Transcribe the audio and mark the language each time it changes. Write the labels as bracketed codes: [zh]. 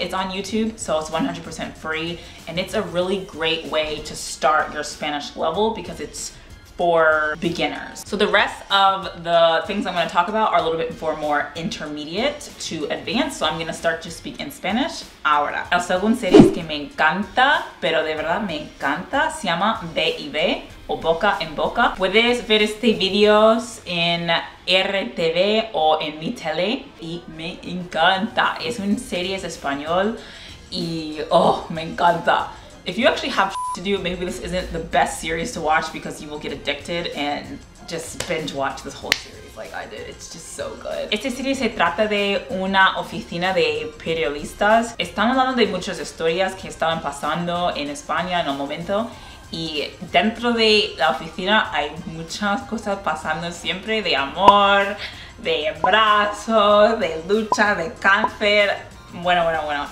[en] It's on YouTube, so it's 100% free. And it's a really great way to start your Spanish level because it's for beginners. So the rest of the things I'm going to talk about are a little bit for more intermediate to advanced. So I'm going to start to speak in Spanish ahora. [es] El segundo serie que me encanta, pero de verdad me encanta, se llama B&B o Boca en Boca. Puedes ver este videos en RTV o en mi tele y me encanta. Es una serie en español y oh, me encanta. [en] If you actually have to do, maybe this isn't the best series to watch because you will get addicted and just binge watch this whole series like I did. It's just so good. [es] Esta serie se trata de una oficina de periodistas. Están hablando de muchas historias que estaban pasando en España en el momento. Y dentro de la oficina hay muchas cosas pasando siempre de amor, de abrazo, de lucha, de cáncer. Bueno, bueno, bueno.